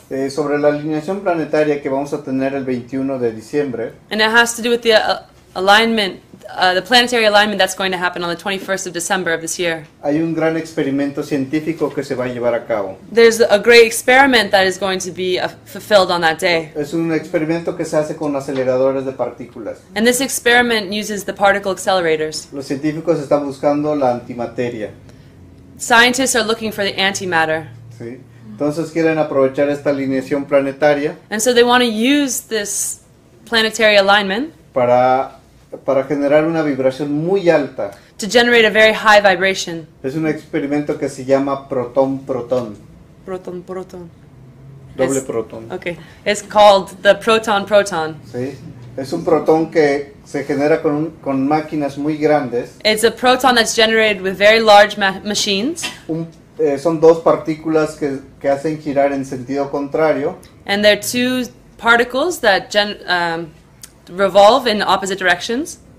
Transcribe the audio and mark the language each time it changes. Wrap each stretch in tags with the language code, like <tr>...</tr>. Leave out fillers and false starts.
<es>Sobre la alineación planetaria que vamos a tener el 21 de diciembre.</es> <en>And it has to do with the alignment, the planetary alignment that's going to happen on the 21st of December of this year.</en> <es>Hay un gran experimento científico que se va a llevar a cabo.</es> <en>There's a great experiment that is going to be fulfilled on that day.</en> <es>Es un experimento que se hace con aceleradores de partículas.</es> <en>And this experiment uses the particle accelerators.</en> <es>Los científicos están buscando la antimateria.</es> <en>Scientists are looking for the antimatter.</en> <es>Sí. Entonces quieren aprovechar esta alineación planetaria.</es> <en>And so they want to use this planetary alignment</en> <es>para generar una vibración muy alta.</es> <en>To generate a very high vibration.</en> <es>Es un experimento que se llama proton-proton.</es> <en>Proton-proton.</en> <es>Doble proton.</es> <en>Okay. It's called the proton-proton.</en> <es>Sí. Es un protón que se genera con máquinas muy grandes.</es> <en>It's a proton that's generated with very large machines.</en> <es>Son dos partículas que hacen girar en sentido contrario.</es> <en>And they're two particles that revolve in opposite directions.</en>